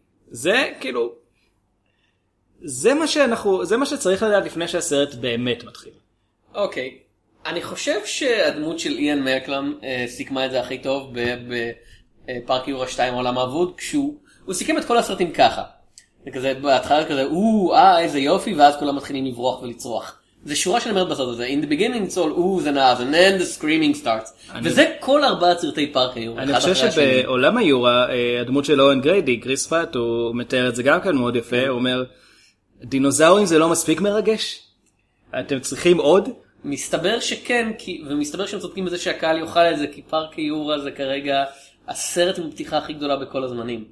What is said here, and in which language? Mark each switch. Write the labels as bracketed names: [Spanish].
[Hebrew] זה כאילו, זה מה שאנחנו, זה מה שצריך לדעת לפני שהסרט באמת מתחיל. אוקיי. אני חושב שהדמות של איאן מקלם סיכמה את זה הכי טוב בפארק יורה 2 עולם האבוד, כשהוא סיכם את כל הסרטים ככה. זה כזה, בהתחלה כזה, איזה יופי, ואז כולם מתחילים לברוח ולצרוח. זה שורה שאני אומרת בסרט הזה, [English] in the beginning it's all, ooh, the nose, and then the screaming starts. [Hebrew] וזה כל ארבעה סרטי פארק היורה. אני חושב שבעולם היורה, הדמות של אורן גריידי, קריס פאט, הוא מתאר את זה גם כאן מאוד יפה, הוא אומר, דינוזאורים זה לא מספיק מרגש? אתם צריכים עוד? מסתבר שכן, ומסתבר שהם צודקים בזה שהקהל יאכל את זה, כי פארק היורה זה כרגע הסרט עם הפתיחה הכי גדולה בכל הזמנים.